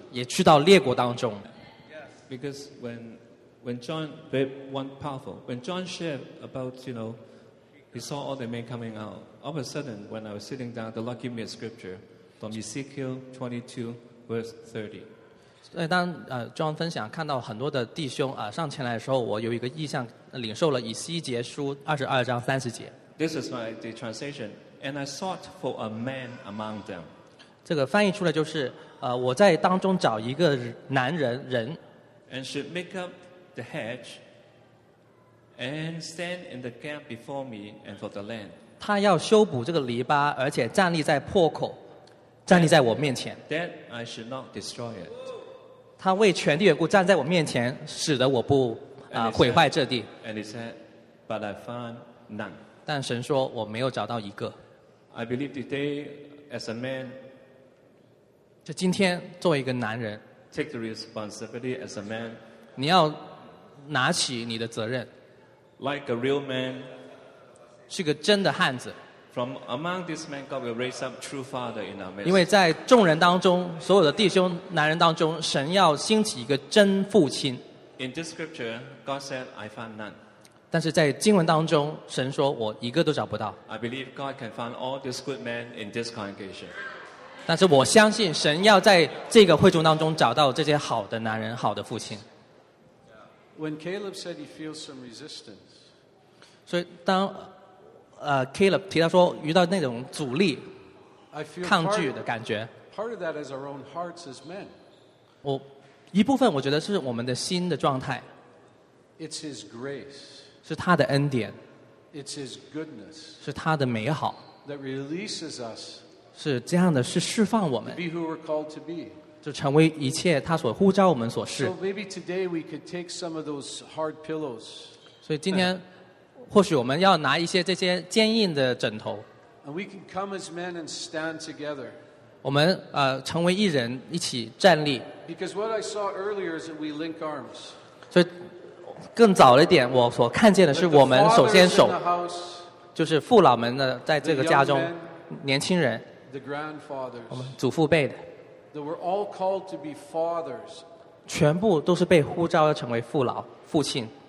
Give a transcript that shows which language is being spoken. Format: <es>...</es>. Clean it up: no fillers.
<zh>也去到列国当中</zh> <en>Yes, because when John very one powerful when John shared about you know he saw all the men coming out all of a sudden when I was sitting down the Lord gave me a scripture from Ezekiel 22:30</en> <zh>所以当John 分享看到很多的弟兄上前来的时候我有一个意象领受了以西结书22:30</zh> <en>this is my the translation and I sought for a man among them</en> <zh>这个翻译出来就是我在当中找一个男人人</zh> <en>and should make upthe hedge and stand in the gap before me and for the land.</en> <zh>他要修补这个篱笆而且站立在破口站立在我面前</zh> <en>that I should not destroy it.</en> <zh>他为全地缘故站在我面前使得我不毁坏这地</zh> <en>and he said, but I found none.</en> <zh>但神说我没有找到一个</zh> <en>I believe today as a man</en> <zh>就今天作为一个男人</zh> <en>take the responsibility as a man</en> <zh>你要拿起你的责任</zh> <en>like a real man</en> <zh>是个真的汉子</zh> <en>from among this man God will raise up true father in our midst</en> <zh>因为在众人当中所有的弟兄男人当中神要兴起一个真父亲</zh> <en>in this scripture God said I found none</en> <zh>但是在经文当中神说我一个都找不到</zh> <en>I believe God can find all these good men in this congregation</en> <zh>但是我相信神要在这个会众当中找到这些好的男人好的父亲</zh> <en>When Caleb said he feels some resistance,</en> <zh>所以当Caleb 提到说遇到那种阻力、抗拒的感觉</zh> <en>part of that is our own hearts as men.</en> <zh>我一部分我觉得是我们的心的状态。</zh> <en>It's his grace.</en> <zh>是他的恩典。</zh> <en>It's his goodness.</en> <zh>是他的美好。</zh> <en>That releases us.</en> <zh>是这样的，是释放我们。</zh> <en>To be who we're called to be.</en> <zh>就成为一切他所呼召我们所是。</zh> <en>So maybe today we could take some of those hard pillows.</en> <zh>所以今天，或许我们要拿一些这些坚硬的枕头。</zh> <en>And we can come as men and stand together.</en> <zh>我们成为一人一起站立。</zh> <en>Because what I saw earlier is that we link arms.</en> <zh>所以更早了一点，我所看见的是我们手牵手，就是父老们的在这个家中。</zh> <en>The young men,</en> <zh>年轻人</zh> <en>the grandfathers,</en> <zh>我们祖父辈的</zh> <en>they were all called to be fathers,</en> <zh>全部都是被呼召成为父老父亲</zh>